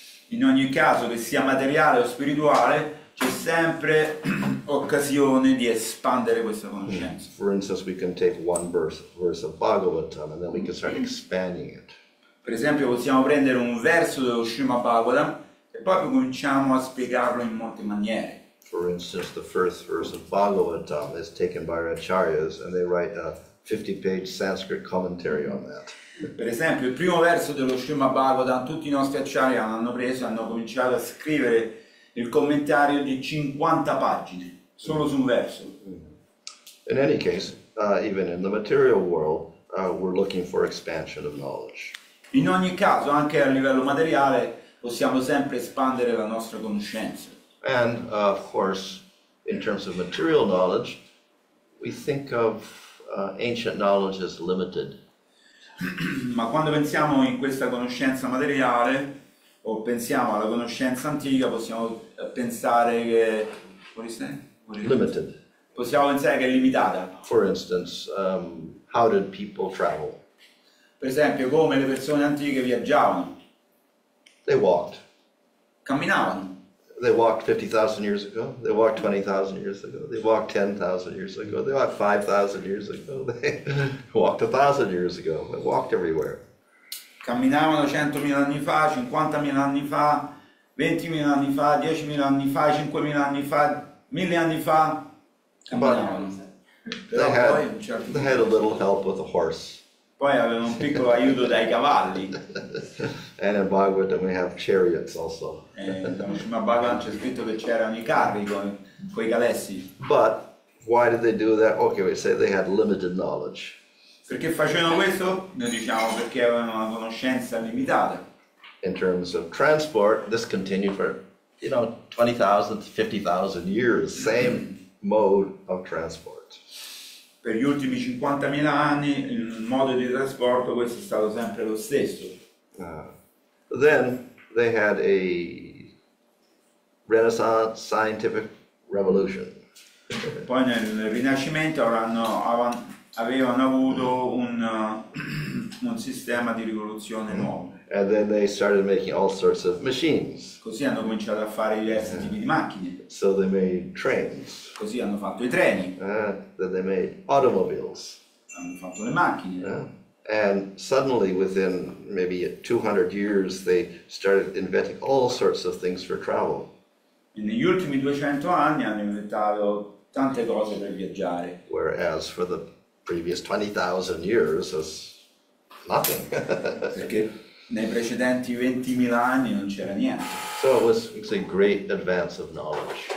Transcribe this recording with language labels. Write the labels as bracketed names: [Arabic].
[Italian] In ogni caso, che sia materiale o spirituale, c'è sempre occasione di espandere questa conoscenza. [English] For instance, we can take one verse of Bhagavatam and then we can start expanding it. [Italian] Per esempio, possiamo prendere un verso dello Srimad Bhagavatam e poi cominciamo a spiegarlo in molte maniere. [English] For instance, the first verse of Bhagavatam is taken by Acharyas and they write a 50-page Sanskrit commentary on that. [Italian] Per esempio, il primo verso dello Srimad Bhagavatam tutti i nostri Acharya hanno preso e hanno cominciato a scrivere il commentario di 50 pagine, solo su un verso. [English] In any case, even in the material world, we're looking for expansion of knowledge. [Italian] In ogni caso, anche a livello materiale, possiamo sempre espandere la nostra conoscenza. [English] And, of course, in terms of material knowledge, we think of ancient knowledge as limited. [Italian] Ma quando pensiamo in questa conoscenza materiale, o pensiamo alla conoscenza antica, possiamo pensare che... [English] Limited. [Italian] Possiamo pensare che è limitata. [English] For instance, how did people travel? [Italian] Per esempio, come le persone antiche viaggiavano? [English] They walked. [Italian] Camminavano. [English] They walked 50,000 years ago, they walked 20,000 years ago, they walked 10,000 years ago, they walked 5,000 years ago, they walked 1,000 years ago, they walked everywhere. [Italian] Camminavano 100.000 anni fa, 50.000 anni fa, 20.000 anni fa, 10.000 anni fa, 5.000 anni fa, 1.000 anni fa, camminavano. [English] They had a little help with a horse. [Italian] Poi avevano un piccolo aiuto dai cavalli. [English] And in Bhagavatam we have chariots also. [Italian] Ma Bhagavatam c'è scritto che c'erano i carri con i calessi. [English] But why did they do that? Okay, we say they had limited knowledge. [Italian] Perché facevano questo? Noi diciamo perché avevano una conoscenza limitata. [English] In terms of transport, this continued for, you know, 20,000, 50,000 years, same mode of transport. [Italian] Per gli ultimi 50.000 anni il modo di trasporto questo è stato sempre lo stesso. [English] Then they had a Renaissance scientific revolution. [Italian] Poi nel Rinascimento avevano avuto un sistema di rivoluzione nuovo. [English] And then they started making all sorts of machines. [Italian] Così hanno cominciato a fare diversi tipi di macchine. [English] So they made trains. [Italian] Così hanno fatto i treni. [English] Then they made automobiles. [Italian] Hanno fatto le macchine. [English] And suddenly, within maybe 200 years, they started inventing all sorts of things for travel. [Italian] E negli ultimi 200 anni hanno inventato tante cose per viaggiare. [English] Whereas for the previous 20,000 years, it's nothing. [Italian] Perché nei precedenti 20.000 anni non c'era niente. [English] So it's a great advance of knowledge.